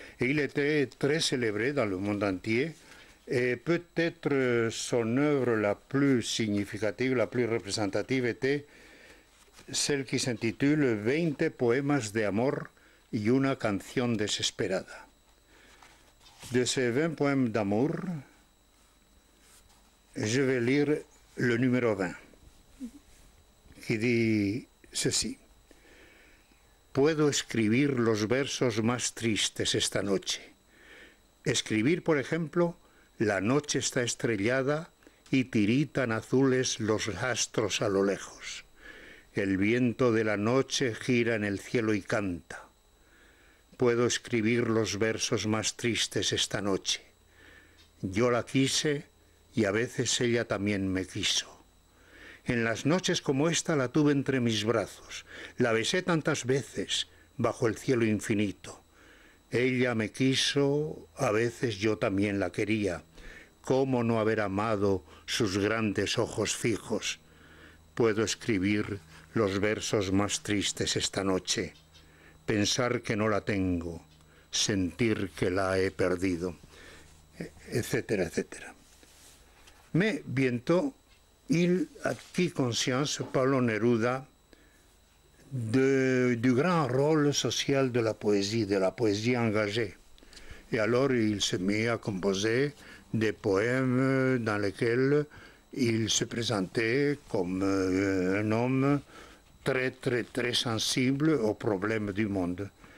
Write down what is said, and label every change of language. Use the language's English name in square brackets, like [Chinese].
[French] Et il était très célèbre dans le monde entier. Et peut-être son œuvre la plus significative, la plus représentative, était celle qui s'intitule « 20 poèmes d'amour et une [Spanish] canción desesperada ». [French] De ces 20 poèmes d'amour, je vais lire le numéro 20, qui dit... Ceci. [Spanish] Puedo escribir los versos más tristes esta noche. Escribir, por ejemplo, la noche está estrellada y tiritan azules los astros a lo lejos. El viento de la noche gira en el cielo y canta. Puedo escribir los versos más tristes esta noche. Yo la quise y a veces ella también me quiso. En las noches como esta la tuve entre mis brazos, la besé tantas veces bajo el cielo infinito. Ella me quiso, a veces yo también la quería. ¿Cómo no haber amado sus grandes ojos fijos? Puedo escribir los versos más tristes esta noche. Pensar que no la tengo, sentir que la he perdido, etcétera, etcétera. Me viento. [French] Il acquit conscience, Pablo Neruda, du grand rôle social de la poésie engagée. Et alors il se mit à composer des poèmes dans lesquels il se présentait comme un homme très très très sensible aux problèmes du monde.